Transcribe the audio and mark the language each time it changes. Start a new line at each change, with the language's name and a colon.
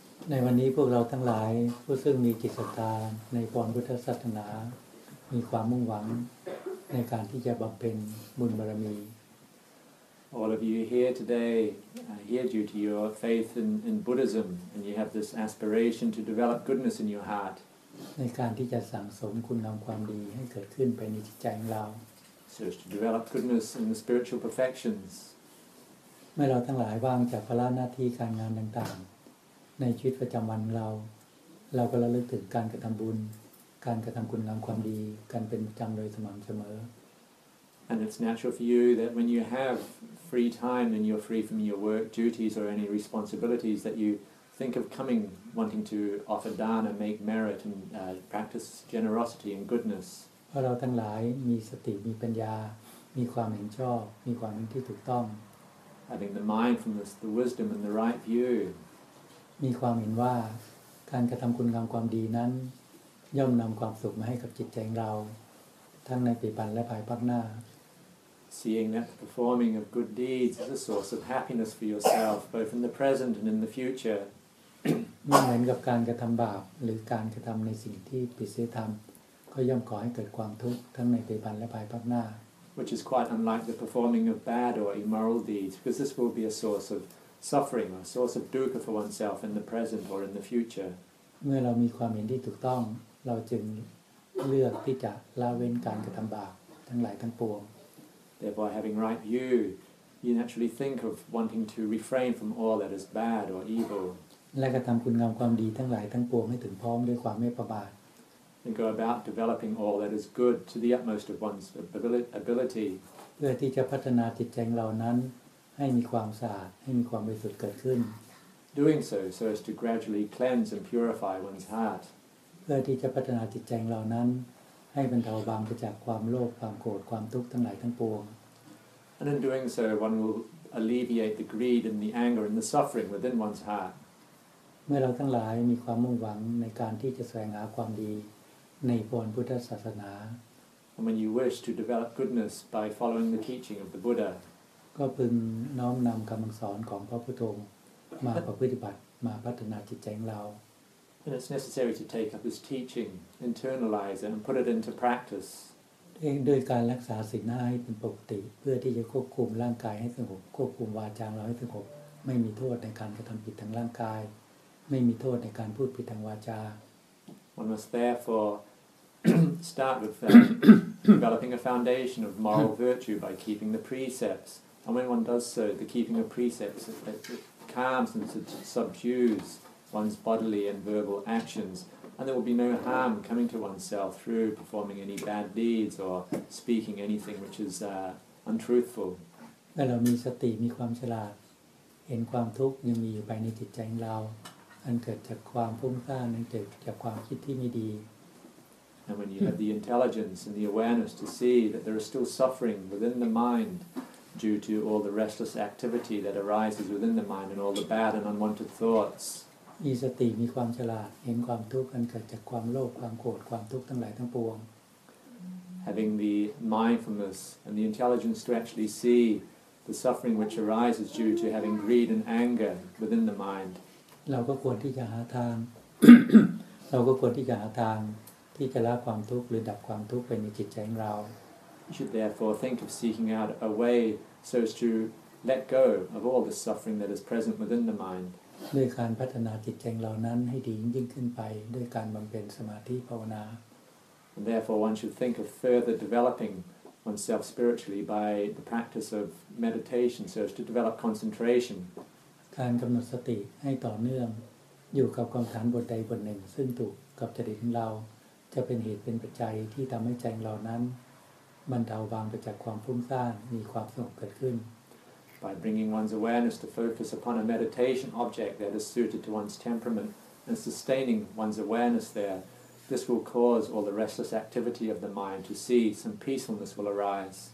Thai: ในวันนี้พวกเราทั้งหลายผู้ซึ่งมีจิตศรัทธาในความพุทธศาสนามีความมุ่งหวังในการที่จะบำเพ็ญบุญบารมี
English: All of you here today here due to your faith in Buddhism and you have this aspiration to develop goodness in your heart
Thai: ในการที่จะสั่งสมคุณงามความดีให้เกิดขึ้นไปในจิตใจของเรา
English: So to develop goodness in the spiritual perfections
Thai: เมื่อเราทั้งหลายว่างจากภาระหน้าที่การงานต่างๆในชีวิตประจำวันเราเราก็ระลึกถึงการกระทำบุญการกระทำคุณงามความดีกันเป็นประจำโดยสม่ำเสม
English: อ And it's natural for you that when you have free time and you're free from your work duties or any responsibilities that you think of coming wanting to offer dana make merit and practice generosity and goodness
Thai: เพราะเราทั้งหลายมีสติมีปัญญามีความเห็นชอบมีความเห็นที่ถูกต้อง
English: having the mind from the wisdom and the right view
Thai: มีความเห็นว่าการกระทำคุณงามความดีนั้นย่อมนำความสุขมาให้กับจิตใจของเราทั้งในปัจจุบันและภายภาคหน้า
English: Seeing that the performing of good deeds is a source of happiness for yourself both in the present and in the future
Thai: ไม่เหมือนกับการกระทำบาปหรือการกระทำในสิ่งที่ผิดศีลธรรมก็ย่อมก่อให้เกิดความทุกข์ทั้งในปัจจุบันและภายภาคหน้า
English: Which is quite unlike the performing of bad or immoral deeds because this will be a source ofsuffering a source of dukkha for oneself in the present or in the future
Thai: เมื่อเรามีความเห็นที่ถูกต้องเราจึงเลือกที่จะละเว้นการกระทำบาปทั้งหลายทั้งปวง
English: Therefore having right view you naturally think of wanting to refrain from all that is bad or evil
Thai: และกระทำคุณงามความดีทั้งหลายทั้งปวงให้ถึงพร้อมด้วยความไม่ประมาท
English: And go about developing all that is good to the utmost of one's ability
Thai: เพื่อที่จะพัฒนาจิตใจเรานั้นให้มีความสะอาดให้มีความบริสุทธิ์เกิดขึ้น
English: Doing so so as to gradually cleanse and purify one's heart
Thai: เพื่อที่จะพัฒนาจิตใจเรานั้นให้บรรเทาบางไปจากความโลภความโกรธความทุกข์ทั้งหลายทั้งปวง
English: And in doing so one will alleviate the greed and the anger and the suffering within one's heart
Thai: เมื่อเราทั้งหลายมีความมุ่งหวังในการที่จะแสวงหาความดีในพระพุทธศาสนา
English: And when you wish to develop goodness by following the teaching of the Buddha
Thai: ก็พึงน้อมนำคำสอนของพระพุทธองค์มาประพฤติบัติมาพัฒนาจิตใจของเรา
English: And it's necessary to take up this teaching, internalize it, and put it into practice.
Thai: ด้วยการรักษาศีลให้เป็นปกติเพื่อที่จะควบคุมร่างกายให้สงบควบคุมวาจาเราให้สงบไม่มีโทษในการกระทำผิดทางร่างกายไม่มีโทษในการพูดผิดทางวาจา
English: One must therefore start with developing a foundation of moral virtue by keeping the precepts. And when one does so, the keeping of precepts it calms and subdues one's bodily and verbal actions, and there will be no harm coming to oneself through performing any bad deeds or speaking anything which is untruthful.
Thai: เมื่อเรามีสติมีความฉลาดเห็นความทุกข์ยังมีอยู่ภายในจิตใจของเราอันเกิดจากความฟุ้งซ่านนั้นเกิดจากความคิดที่ไม่ดี
English: And when you have the intelligence and the awareness to see that there is still suffering within the mind. Due to all the restless activity that arises within the mind and all the bad and unwanted thoughts.
Thai: มีสติมีความฉลาดเห็นความทุกข์อันเกิดจากความโลภความโกรธความทุกข์ทั้งหลายทั้งปวง
English: Having the mindfulness and the intelligence to actually see the suffering which arises due to having greed and anger within the mind.
Thai: เราก็ควรที่จะหาทางเราก็ควรที่จะหาทางที่จะละความทุกข์หรือดับความทุกข์ไปในจิตใจของเรา
English: You should therefore think of seeking out a way so as to let go of all the suffering that is present within the mind.
Thai: ด้วยการพัฒนาจิตใจเรานั้นให้ดียิ่งขึ้นไปด้วยการบำเพ็ญสมาธิภาวนา
English: And therefore one should think of further developing oneself spiritually by the practice of meditation so as to develop concentration.
Thai: การกำหนดสติให้ต่อเนื่องอยู่กับกรรมฐานบทใดบทหนึ่งซึ่งถูกกับจริตของเราจะเป็นเหตุเป็นปัจจัยที่ทำให้ใจเรานั้นมันเดาบางไปจากความฟุ้งซ่านมีความสงบเกิดขึ้น
English: By bringing one's awareness to focus upon a meditation object that is suited to one's temperament and sustaining one's awareness there this will cause all the restless activity of the mind to cease and peacefulness will arise